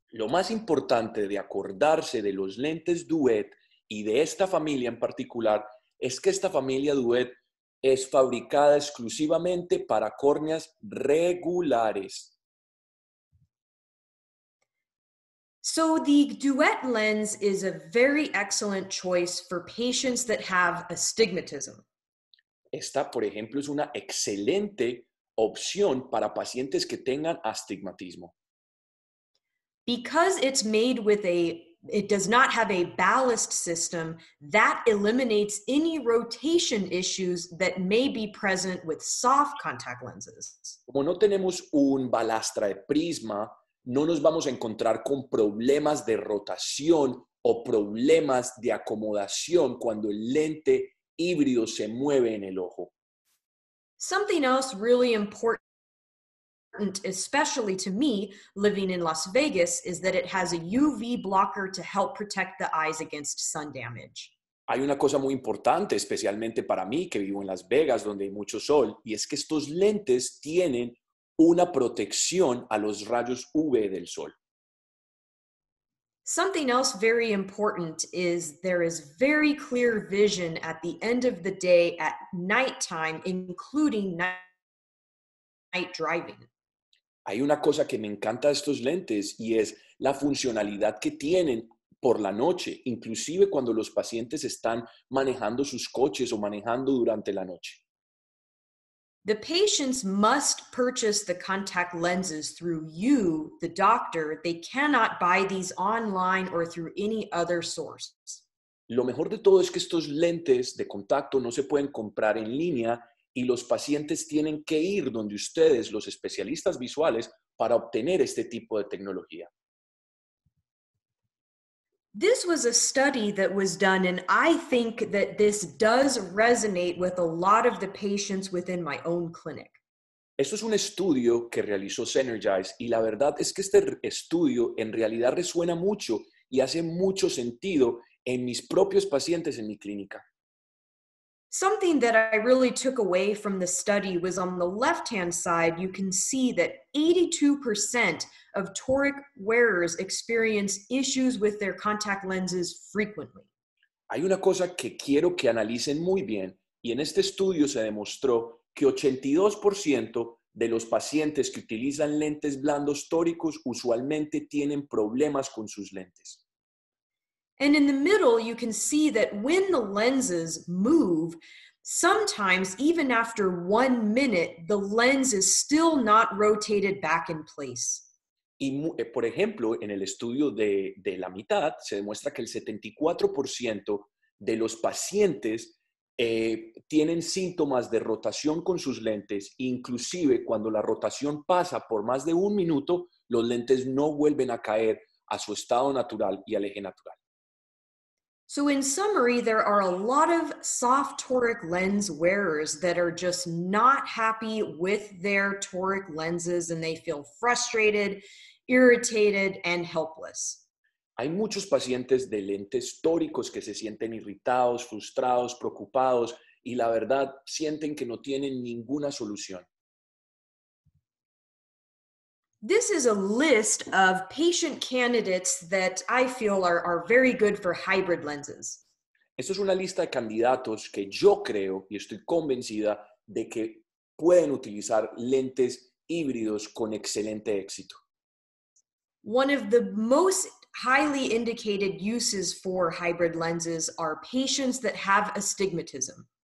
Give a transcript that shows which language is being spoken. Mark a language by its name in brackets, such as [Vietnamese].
[Spanish] Lo más importante de acordarse de los lentes duet y de esta familia en particular es que esta familia duet es fabricada exclusivamente para córneas regulares. [English] So the duet lens is a very excellent choice for patients that have astigmatism. [Spanish] Esta, por ejemplo, es una excelente opción para pacientes que tengan astigmatismo. [English] Because it's made with it does not have a ballast system, that eliminates any rotation issues that may be present with soft contact lenses. [Spanish] Como no tenemos un balastra de prisma, no nos vamos a encontrar con problemas de rotación o problemas de acomodación cuando el lente híbrido se mueve en el ojo. [English] Something else really important, especially to me, living in Las Vegas, is that it has a UV blocker to help protect the eyes against sun damage. [Spanish] Hay una cosa muy importante, especialmente para mí, que vivo en Las Vegas, donde hay mucho sol, y es que estos lentes tienen una protección a los rayos UV del sol. [English] Something else very important is there is very clear vision at the end of the day at nighttime, including night driving. [Spanish] Hay una cosa que me encanta de estos lentes y es la funcionalidad que tienen por la noche, inclusive cuando los pacientes están manejando sus coches o manejando durante la noche. [English] The patients must purchase the contact lenses through you, the doctor. They cannot buy these online or through any other source. [Spanish] Lo mejor de todo es que estos lentes de contacto no se pueden comprar en línea y los pacientes tienen que ir donde ustedes, los especialistas visuales, para obtener este tipo de tecnología. [English] This was a study that was done, and I think that this does resonate with a lot of the patients within my own clinic. [Spanish] Esto es un estudio que realizó Synergize, y la verdad es que este estudio en realidad resuena mucho y hace mucho sentido en mis propios pacientes en mi clínica. [English] Something that I really took away from the study was on the left-hand side, you can see that 82% of toric wearers experience issues with their contact lenses frequently. [Spanish] Hay una cosa que quiero que analicen muy bien, y en este estudio se demostró que 82% de los pacientes que utilizan lentes blandos tóricos usualmente tienen problemas con sus lentes. [English] And in the middle, you can see that when the lenses move, sometimes even after 1 minute, the lens is still not rotated back in place. [Spanish] Y por ejemplo, en el estudio de la mitad, se demuestra que el 74% de los pacientes tienen síntomas de rotación con sus lentes, inclusive cuando la rotación pasa por más de un minuto, los lentes no vuelven a caer a su estado natural y al eje natural. [English] So in summary, there are a lot of soft toric lens wearers that are just not happy with their toric lenses and they feel frustrated, irritated, and helpless. [Spanish] Hay muchos pacientes de lentes tóricos que se sienten irritados, frustrados, preocupados y la verdad sienten que no tienen ninguna solución. [English] This is a list of patient candidates that I feel are very good for hybrid lenses. [Spanish] Esto es una lista de candidatos que yo creo y estoy convencida de que pueden utilizar lentes híbridos con excelente éxito. [English] One of the most highly indicated uses for hybrid lenses are patients that have astigmatism.